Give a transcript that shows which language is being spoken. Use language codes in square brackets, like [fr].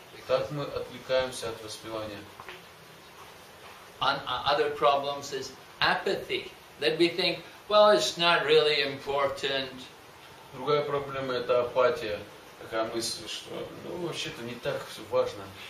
[ru] Так мы отвлекаемся от воспевания. [en] Other problems is apathy. That we think, well, it's not really important. [ru] Другая проблема это апатия. Такая мысль, что, ну, вообще-то не так все важно.